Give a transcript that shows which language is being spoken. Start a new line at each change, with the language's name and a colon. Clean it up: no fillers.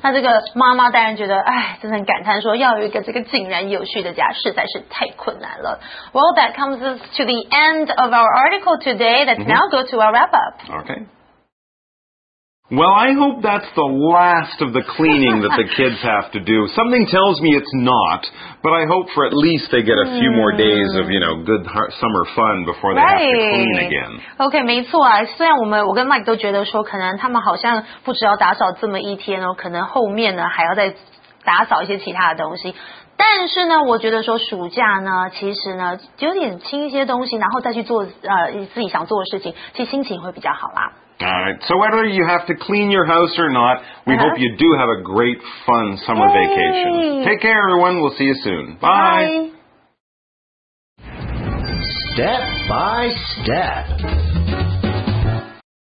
Chinese: 那这个妈妈当然觉得，哎，真的很感叹说，要有一个这个井然有序的家实在是太困难了。
English: Well, that comes to the end of our article today. Let's now go to our wrap up. Okay. Well, I hope that's the last of the cleaning that the kids have to do. Something tells me it's not, but I hope for at least they get a few more days of, you know, good summer fun before they have to clean again.
Chinese: OK, 没错啊，虽然我跟 Mike 都觉得说可能他们好像不只要打扫这么一天哦，可能后面呢还要再打扫一些其他的东西。但是呢，我觉得说暑假呢，其实呢，有点清一些东西，然后再去做自己想做的事情，其实心情会比较好啦。
English: Alright, so whether you have to clean your house or not, we hope you do have a great, fun summer vacation. Take care, everyone. We'll see you soon. Bye. Step by step.